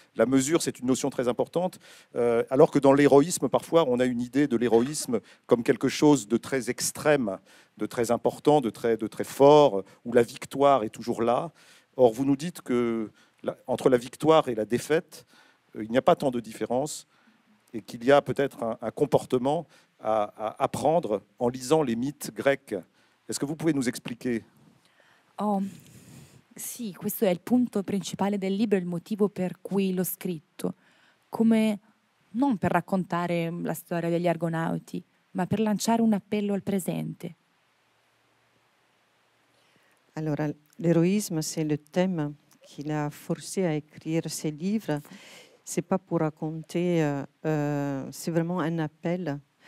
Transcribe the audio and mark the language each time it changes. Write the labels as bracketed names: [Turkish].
[French] La mesure, c'est une notion très importante, alors que dans l'héroïsme, parfois, on a une idée de l'héroïsme comme quelque chose de très extrême, de très important, de très fort, où la victoire est toujours là. Or, vous nous dites que entre la victoire et la défaite, il n'y a pas tant de différence et qu'il y a peut-être un comportement à apprendre en lisant les mythes grecs. Est-ce que vous pouvez nous expliquer ? [Italian] Oh, sì, questo è il punto principale del libro, il motivo per cui l'ho scritto. Come non per raccontare la storia degli Argonauti, ma per lanciare un appello al presente. [French] Alors, l'héroïsme, c'est le thème qui l'a forcé à écrire ses livres. Ce n'est pas pour raconter, c'est vraiment un appel.